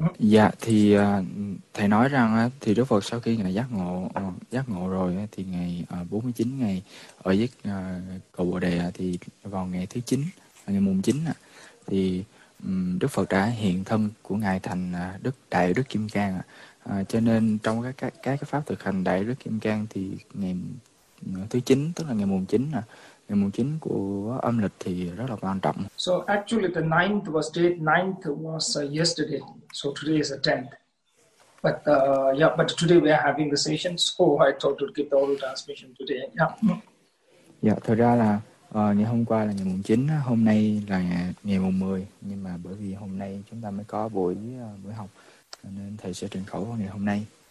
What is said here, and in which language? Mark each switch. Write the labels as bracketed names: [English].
[Vietnamese] Dạ, thì thầy nói rằng thì Đức Phật sau khi ngài giác ngộ rồi thì ngày 49 ngày ở giấc cầu Bồ Đề thì vào ngày thứ 9, ngày mùng 9 thì Đức Phật đã hiện thân của ngài thành Đức Đại Đức Kim Cang, cho nên trong các pháp thực hành Đại Đức Kim Cang thì ngày thứ 9, tức là ngày mùng 9, ngày mùng 9 của âm lịch thì rất là quan trọng. [English] So actually the 9th was date, 9th was yesterday, so today is the 10th. But yeah, but today we are having the session, so I thought to give the oral transmission today. Yeah. [Vietnamese] Dạ, thật ra là ngày hôm qua là ngày mùng 9, hôm nay là ngày mùng 10, nhưng mà bởi vì hôm nay chúng ta mới có buổi học nên thầy sẽ truyền khẩu vào ngày hôm nay.